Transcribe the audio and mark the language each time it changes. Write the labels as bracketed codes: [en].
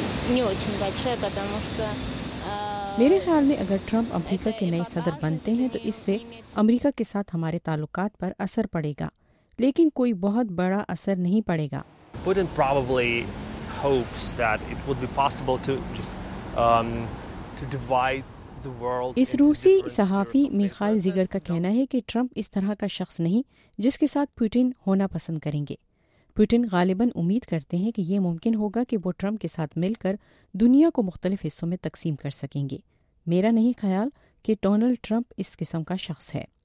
[ru] не очень большая, потому что... [ur] میرے خیال میں اگر ٹرمپ امریکہ کے نئے صدر بنتے ہیں تو اس سے امریکہ کے ساتھ ہمارے تعلقات پر اثر پڑے گا, لیکن کوئی بہت بڑا اثر نہیں پڑے گا. [en] Putin probably hopes that it would be possible to just to divide the world. [ur] اس روسی صحافی میخائل زیگر کا کہنا ہے کہ ٹرمپ اس طرح کا شخص نہیں جس کے ساتھ پوٹن ہونا پسند کریں گے. پوٹن غالباً امید کرتے ہیں کہ یہ ممکن ہوگا کہ وہ ٹرمپ کے ساتھ مل کر دنیا کو مختلف حصوں میں تقسیم کر سکیں گے. میرا نہیں خیال کہ ڈونلڈ ٹرمپ اس قسم کا شخص ہے.